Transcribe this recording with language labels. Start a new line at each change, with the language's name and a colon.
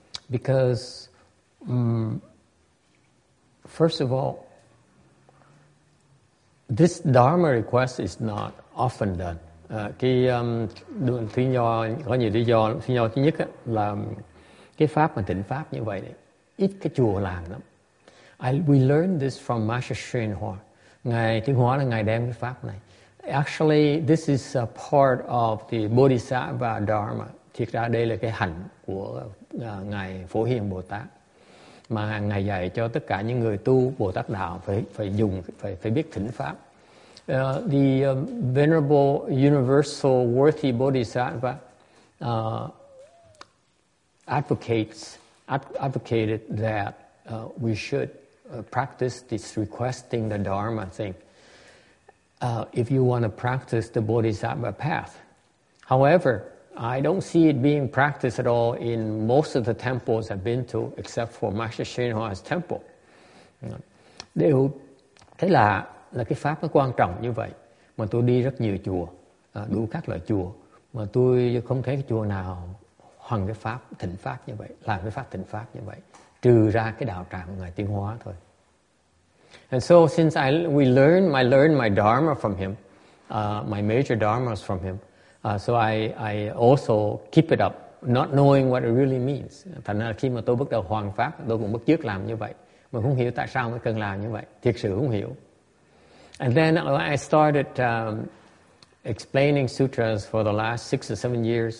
English: Because first of all, this Dharma request is not often done.
Vietnamese: Thứ nhất thứ nhất là cái pháp mà tịnh pháp như vậy này. Ít cái chùa làm lắm.
English: We learned this from Master Shenhua.
Vietnamese: Ngài Thiên Hóa là ngài đem cái pháp này.
English: Actually, this is a part of the Bodhisattva Dharma.
Vietnamese: Thiệt ra đây là cái hạnh của ngài Phổ Hiền Bồ Tát mà ngài dạy cho tất cả những người tu Bồ Tát đạo phải biết thỉnh pháp.
English: The venerable universal worthy Bodhisattva advocated that we should practice this requesting the Dharma thing if you want to practice the Bodhisattva path. However, I don't see it being practiced at all in most of the temples I've been to, except for Master Shenhua's temple.
Vietnamese: Điều thế là cái pháp nó quan trọng như vậy. Mà tôi đi rất nhiều chùa, đủ các loại chùa, mà tôi không thấy cái chùa nào hoằng cái pháp thịnh pháp như vậy, làm cái pháp thịnh pháp như vậy, trừ ra cái đạo tràng của Ngài Tiên Hóa thôi.
English: And so since I learned my dharma from him, my major dharmas from him, so I also keep it up, not knowing what it really means.
Vietnamese: Thành ra khi mà tôi bắt đầu hoằng pháp, tôi cũng bắt chước làm như vậy. Mà không hiểu tại sao mới cần làm như vậy. Thiệt sự không hiểu.
English: And then I started explaining sutras for the last 6 or 7 years.